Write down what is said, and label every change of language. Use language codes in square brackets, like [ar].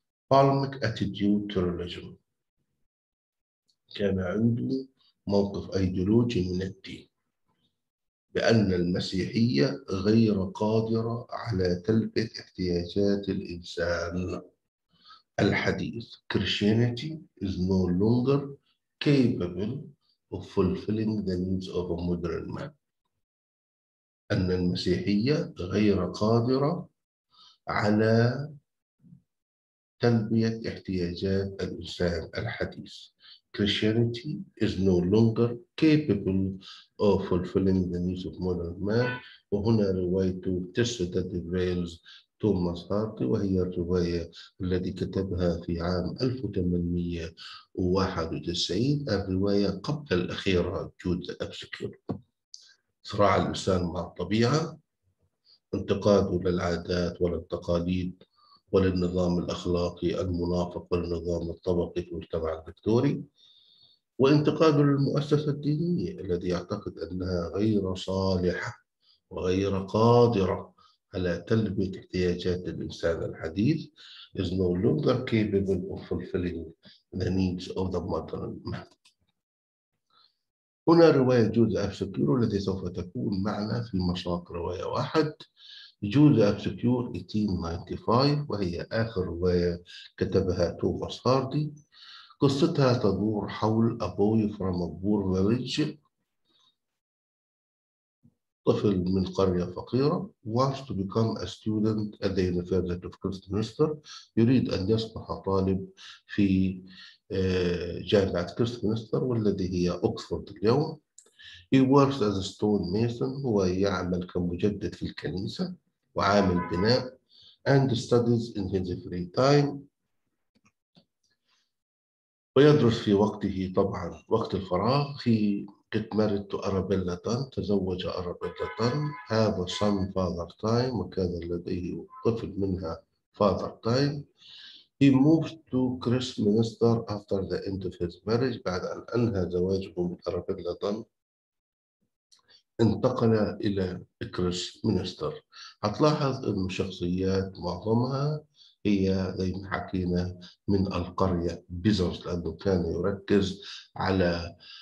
[en] Palmic attitude to religion, [ar] كان عنده موقف أيديولوجي من الدين, بأن المسيحية غير قادرة على تلبية احتياجات الإنسان الحديث. [en] Christianity is no longer capable of fulfilling the needs of a modern man, [ar] أن المسيحية غير قادرة على تلبية احتياجات الإنسان الحديث. [en] Christianity is no longer capable of fulfilling the needs of modern man. [ar] وهنا رواية Tess that derails توماس هاردي, وهي الرواية التي كتبها في عام 1891, الرواية قبل الأخيرة Jude the Obscure. صراع الإنسان مع الطبيعة, انتقاده للعادات والتقاليد وللنظام الأخلاقي المنافق والنظام الطبقي في المجتمع الفكتوري, وانتقاد للمؤسسة الدينية الذي يعتقد أنها غير صالحة وغير قادرة على تلبية احتياجات الإنسان الحديث. [en] is no longer capable of fulfilling the needs of the modern man. [ar] هنا رواية جوز أبسكيور التي سوف تكون معنا في مشاق رواية واحد. Jude the Obscure 1895, وهي آخر رواية كتبها توماس هاردي. قصتها تدور حول [en] a boy from a poor village, [ar] طفل من قرية فقيرة, [en] wants to become a student at the University of Christminster, [ar] يريد أن يصبح طالب في جامعة كريستمينستر والذي هي أكسفورد اليوم. [en] He works as a stonemason, [ar] هو يعمل كمجدد في الكنيسة وعامل بناء. [en] And studies in his free time, [ar] ويدرس في وقته طبعا وقت الفراغ. [en] He get married to Arabella Dunn, [ar] تزوج أرابيلا دان. [en] Have a son father time, [ar] وكان لديه طفل منها [en] father time. He moved to Christminster after the end of his marriage, [ar] بعد أن أنهى زواجه من أرابيلا دان انتقل إلى كريستمينستر. هتلاحظ أن الشخصيات معظمها هي زي ما حكينا من القرية بيزرز, لأنه كان يركز على